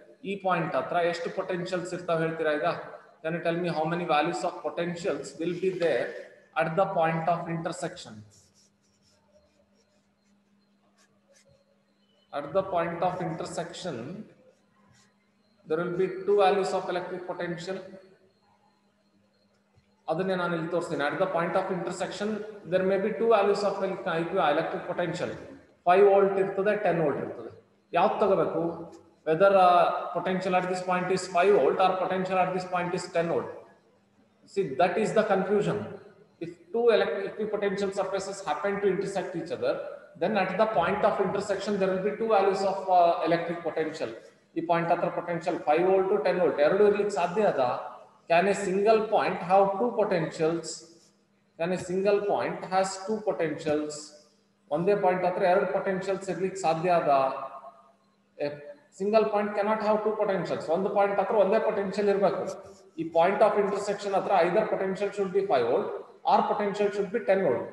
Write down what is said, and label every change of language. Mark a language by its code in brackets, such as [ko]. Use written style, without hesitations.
[kn] E point atra eshtu potentials irthav heltira iga? [en] Can you tell me how many values of potentials will be there at the point of intersection? At the point of intersection, there will be two values of electric potential. [kn] ಅದನ್ನೇ ನಾನು ಇಲ್ಲಿ ತೋರಿಸ್ತೀನಿ. [en] at the point of intersection there may be two values of electric potential, [kn] 5 volt ಇರ್ತದೆ 10 volt ಇರ್ತದೆ. ಯಾವ್ದು ತಗೋಬೇಕು? [en] Whether potential at this point is 5 volt or potential at this point is 10 volt. See that is the confusion. If two electric potential surfaces happen to intersect each other, then at the point of intersection there will be two values of electric potential. [kn] ಈ point ಹತ್ರ potential 5 volt 10 volt ಎರಡು ಇರ್ಲಿಕ್ಕೆ ಸಾಧ್ಯ ಅದ? [en] Can a single point have two potentials? Can a single point has two potentials? [kn] One point atre erdu potentials irlikke sadhya ada? [en] A single point cannot have two potentials. One point atre one potential [kn] irbeku. [en] Ee point of intersection atre either potential should be 5 volt or potential should be 10 volt.